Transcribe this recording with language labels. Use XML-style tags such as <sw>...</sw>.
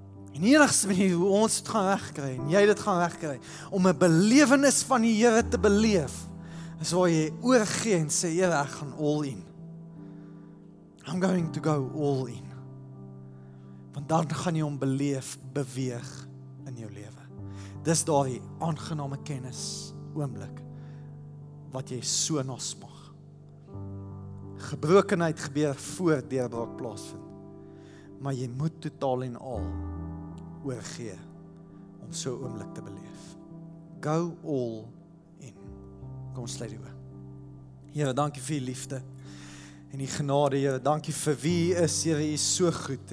<af>En enigste manier hoe ons het gaan wegkry en jy dit gaan wegkry, om 'n belewenis van die Here te beleef, is waar jy oorgee en sê, Here, ek gaan all in.</af> <en>I'm going to go all in.</en> <af>Want dan gaan jy hom beleef, beweeg in jou lewe. Dis daai aangename kennis oomblik wat jy so na smag. Gebrokenheid gebeur voor deurbraak plaasvind. Maar jy moet totaal en al oorgee om so oomblik te beleef.</af> <en>Go all in.</en> <af>Kom sluit die oë. Here, dankie vir die liefde en die genade, Here. Dankie vir wie is, Here, jy so goed.</af>